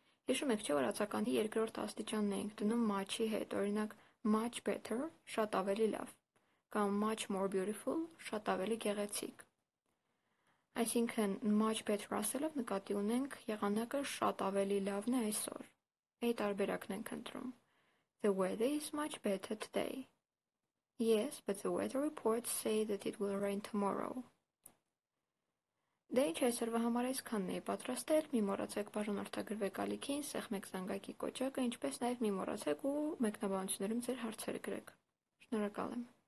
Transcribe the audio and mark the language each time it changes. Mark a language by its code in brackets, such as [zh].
[hy] Հիշում եք, չէ, որ ացականի երկրորդ աստիճանն ենք դնում much-ի հետ, օրինակ much better, շատ ավելի լավ, կամ much more beautiful, շատ ավելի գեղեցիկ. Այսինքն much better ասելով նկատի ունենք եղանակը շատ ավելի լավն է այսօր։ Այդ տարբերակն ենք ընտրում. [en] The weather is much better today. Yes, but the weather reports say that it will rain tomorrow. [hy] Դե ինչ այսօրվա համար այսքանն էի պատրաստել, մի մոռացեք բաժան արտագրվեք ալիքին, սեղմեք զանգակի կոճակը, ինչպես նաև մի մոռացեք ու մեկնաբանություններում ձեր հարցերը գրեք։ Շնորհակալ եմ։